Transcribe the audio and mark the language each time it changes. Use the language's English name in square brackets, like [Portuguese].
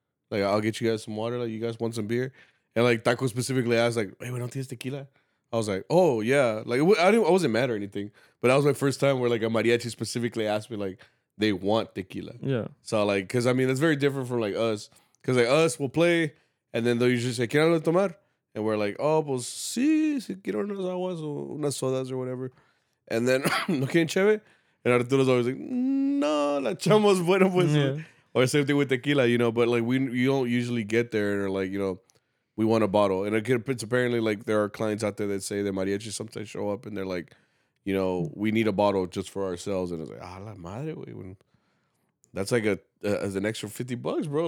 [English] Like, I'll get you guys some water. Like, you guys want some beer? And, like, Taco specifically asked, like, hey, we don't taste tequila? I was like, oh, yeah. Like, I wasn't mad or anything. But that was my first time where, like, a mariachi specifically asked me, like, they want tequila. Yeah. So, like, because, I mean, it's very different from, like, us. Because, like, us, we'll play. [Spanish] And then they'll usually say, ¿quieren tomar? [English] And we're like, oh, [Spanish] pues, sí, si quieren unos aguas o unas sodas [English] or whatever. [Spanish] And then, ¿no quieren cheve? [English] And Arturo's always like, [Spanish] no, la chamo's bueno, pues. [English] Yeah. Or same thing with tequila, you know. But, like, you don't usually get there and are like, you know, we want a bottle. And it's apparently, like, there are clients out there that say that mariachi sometimes show up and they're like, you know, we need a bottle just for ourselves. And it's like, [Spanish] a la madre, wey. [English] That's like an extra $50, bro.